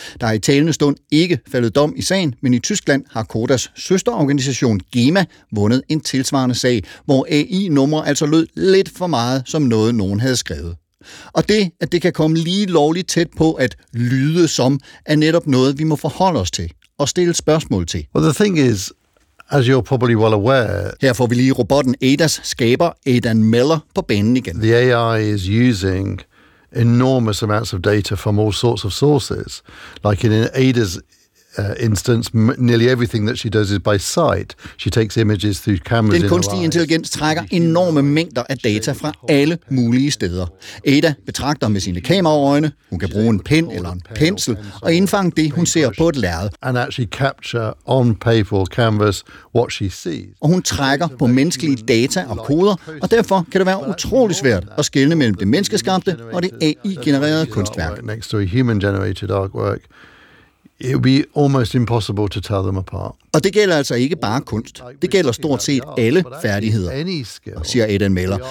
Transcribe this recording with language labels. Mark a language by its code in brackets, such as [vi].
[da] Der er i talende stund ikke faldet dom i sagen, men i Tyskland har Kodas søsterorganisation GEMA vundet en tilsvarende sag, hvor AI-numre altså lød lidt for meget som noget, nogen havde skrevet. Og det, at det kan komme lige lovligt tæt på at lyde som, er netop noget, vi må forholde os til. Og stille spørgsmål til. [en] Well, the thing is, as you're probably well aware, [da] her får vi lige robotten Adas skaber Aidan Meller på banen igen. [en] The AI is using enormous amounts of data from all sorts of sources. Like in Ada's instance, nearly everything that she does is by sight. She takes images through cameras. [da] Den kunstige intelligens trækker enorme mængder af data fra alle mulige steder. Ada betragter med sine kameraøjne. Hun kan bruge en pen eller en pensel og indfange det, hun ser på et lærred. [en] And actually capture on paper or canvas what she sees. [da] Og hun trækker på menneskelige data og koder, og derfor kan det være utrolig svært at skelne mellem det menneskeskabte og det AI-genererede kunstværk. [en] Next to a human-generated artwork. It would be almost impossible to tell them apart. [da] Og det gælder altså ikke bare kunst. Det gælder stort set alle færdigheder, siger Ada Meller.